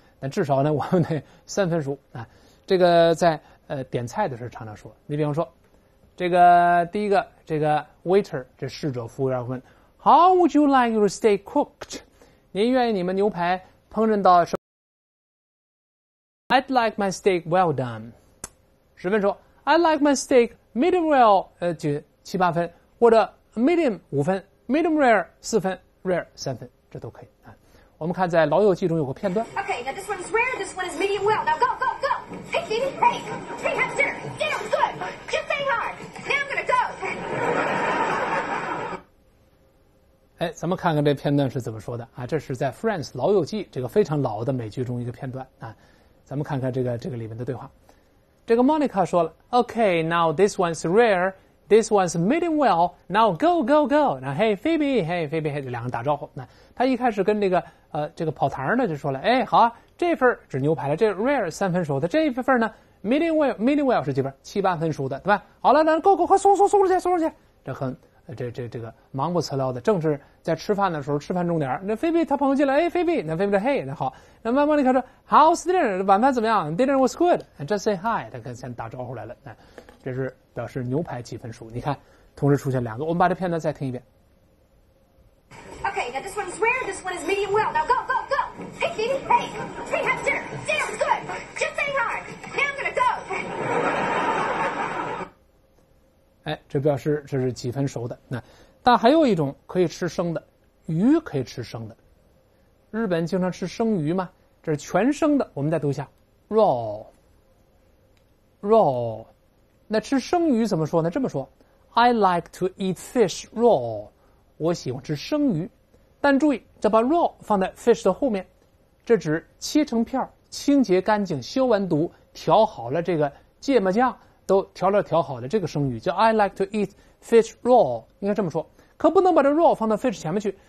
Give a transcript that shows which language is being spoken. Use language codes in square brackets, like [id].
[zh] 那至少呢，我们得三分熟啊。这个在点菜的时候常常说，你比方说，这个第一个这个 waiter 这侍者服务员问 ， [en] How would you like your steak cooked？ [zh] 您愿意你们牛排烹饪到什么 ？ [en] I'd like my steak well done， [zh] 十分熟。 [en] I like my steak medium well， [zh] 就七八分，或者 medium 五分 ，medium rare 四分 ，rare 三分，这都可以啊。我们看在《老友记》中有个片段。 [en] Okay, now this one is rare, this one is medium well. Now go, go, go! Hey, Stevie, hey, hey, have dinner, dinner was good. Just stay hard. Now I'm gonna go. [zh] 哎，咱们看看这片段是怎么说的啊？这是在《Friends》《老友记》这个非常老的美剧中一个片段啊。咱们看看这个里面的对话。这个 Monica 说了 [en] ，Okay, now this one's rare, this one's medium well. Now go, go, go. [zh] 那 [en] Hey, Phoebe, Hey, Phoebe, Hey， [zh] 两个打招呼。那他一开始跟这个这个跑堂的就说了，哎，好啊，这份是牛排了，这 rare 三分熟的，这一份呢 medium well 是几分？七八分熟的，对吧？好了，那 [en] go, go， [zh] 快送出去，送出去。这很这个忙不辞劳的，正是在吃饭的时候，吃饭重点。那 Phoebe 他朋友进来，哎 ，Phoebe， 那 Phoebe 说 ，Hey， 那好。那么 Monica 说 ， [en] How's dinner？ [zh] 晚饭怎么样 ？ [en] Dinner was good。 Just say hi， [zh] 他跟先打招呼来了。这是表示牛排几分熟。你看，同时出现两个，我们把这片段再听一遍。 [en] Okay, now this one is rare. This one is medium well. Now go, go, go. Hey, Phoebe. Hey, Phoebe, have dinner. Dinner was good. Just say hi. Now I'm gonna go. [zh] 哎，这表示这是几分熟的。那但还有一种可以吃生的鱼，可以吃生的。日本经常吃生鱼吗？这是全生的。我们再读一下 ，raw。那吃生鱼怎么说呢？这么说 [en] ，I like to eat fish raw。 [zh] 我喜欢吃生鱼，但注意，这把 raw 放在 fish 的后面，这指切成片，清洁干净，消完毒，调好了这个芥末酱。都调好的这个生鱼叫 [en] I like to eat fish raw， [zh] 应该这么说，可不能把这 raw 放到 fish 前面去。